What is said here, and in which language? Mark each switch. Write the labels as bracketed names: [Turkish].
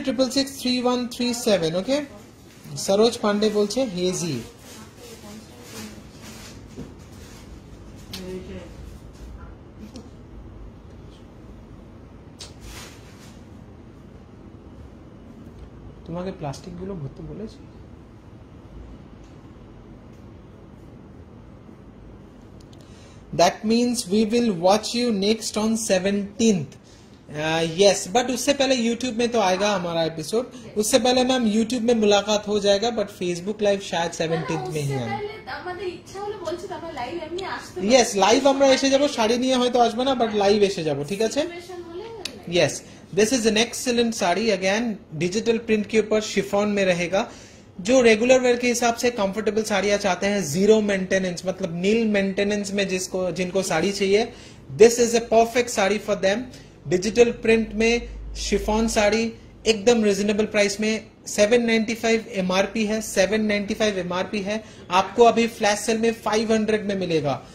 [Bangla] Saroj Pandey बोलछे hazy, তোমাকে plastic গুলো ভর্তি বলেছি, [English] That means we will watch you next on 17th। [Hindi] Yes, but उससे पहले यूट्यूब में तो आएगा हमारा एपिसोड, उससे पहले मैम यूट्यूब में मुलाकात हो जाएगा, बट फेसबुक लाइव शायद 17th में ही है। [Bangla] यस लाइव हमरा এসে যাব, শাড়ি নিয়ে হয়তো আসবে না, বাট লাইভ এসে যাব, ঠিক আছে। [English] yes this is an excellent sari, [Hindi] again digital print के ऊपर शिफॉन में रहेगा। जो रेगुलर वेयर के हिसाब से कंफर्टेबल साड़ियां चाहते हैं, जीरो मेंटेनेंस मतलब नील मेंटेनेंस में जिसको जिनको साड़ी चाहिए, [English] This is a perfect sari for them. [Hindi] Digital print में शिफॉन साड़ी एकदम रिजनेबल प्राइस में, 795 MRP है, 795 MRP है, आपको अभी फ्लैश सेल में 500 में मिलेगा।